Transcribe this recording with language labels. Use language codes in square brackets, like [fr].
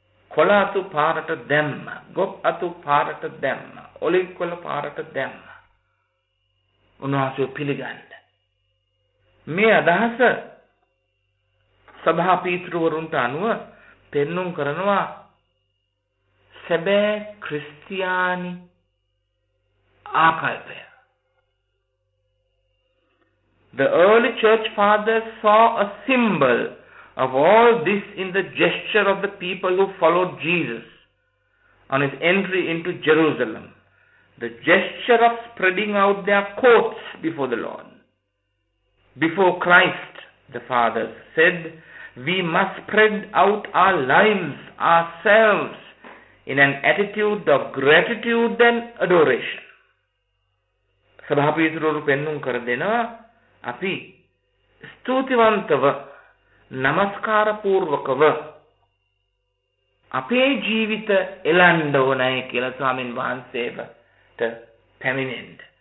[si] කොළාතු පාරට දැම්ම ගොප් අතු පාරට දැම්ම ඔලිකොල පාරට දැම්ම උන්වහන්සේ පිළිගන්න මේ අදහස සභා පීතෘවරුන්ට අනුව පෙන්නුම් කරනවා සැබෑ ක්‍රිස්තියානි ආකල්පය. [en] The early church fathers saw a symbol of all this in the gesture of the people who followed Jesus on his entry into Jerusalem, the gesture of spreading out their coats before the Lord. Before Christ, the fathers said, we must spread out our limbs, ourselves, in an attitude of gratitude and adoration. [si] සභාපීතුරුවරු පෙන්නුම් කර දෙනවා අපි ස්තුතිවන්තව නමස්කාර පූර්වකව අපේ ජීවිත එළන්න ඕනයි කියලා ස්වාමීන් වහන්සේට පැමිණෙන්න.